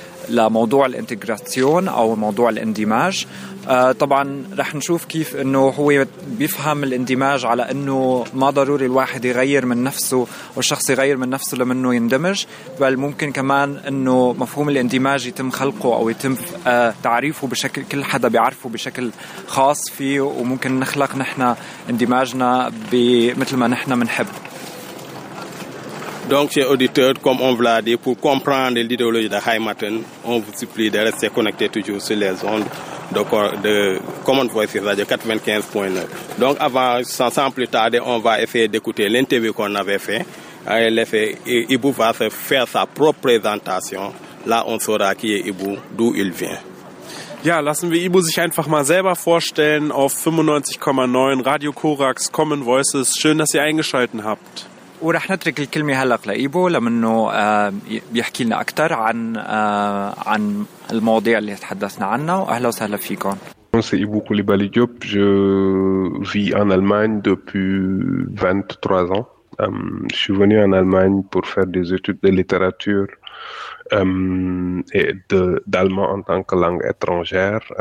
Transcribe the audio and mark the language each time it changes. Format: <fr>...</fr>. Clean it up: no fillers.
<ar>لموضوع الانتجراسيون أو موضوع الاندماج. طبعا رح نشوف كيف انه هو بيفهم الاندماج على انه ما ضروري الواحد يغير من نفسه والشخص يغير من نفسه لمنه يندمج، بل ممكن كمان انه مفهوم الاندماج يتم خلقه او يتم تعريفه بشكل كل حدا بيعرفه بشكل خاص فيه، وممكن نخلق نحن اندماجنا بمثل ما نحن منحب.</ar> <fr>Donc, chers auditeurs, comme on vous l'a dit, pour comprendre l'idéologie de Heimaten, on vous supplie de rester connecté toujours sur les ondes de Common Voice Radio 95.9. Donc, avant, sans plus tarder, on va essayer d'écouter l'interview qu'on avait fait. Ibu va se faire sa propre présentation. Là, on saura qui est Ibu, d'où il vient.</fr> <de>Ja, lassen wir Ibu sich einfach mal selber vorstellen auf 95.9 Radio Korax Common Voices. Schön, dass ihr eingeschaltet habt.</de> <ar>ورح نترك الكلمة هلق لإيبو لمنه بيحكي لنا أكتر عن المواضيع اللي تحدثنا عنها. وأهلا وسهلا فيكم.</ar> <fr>C'est Ibu Koulibaly Diop. Je vis en Allemagne depuis 23 ans. Je suis venu en Allemagne pour faire des études de littérature et d'allemand en tant que langue étrangère.</fr>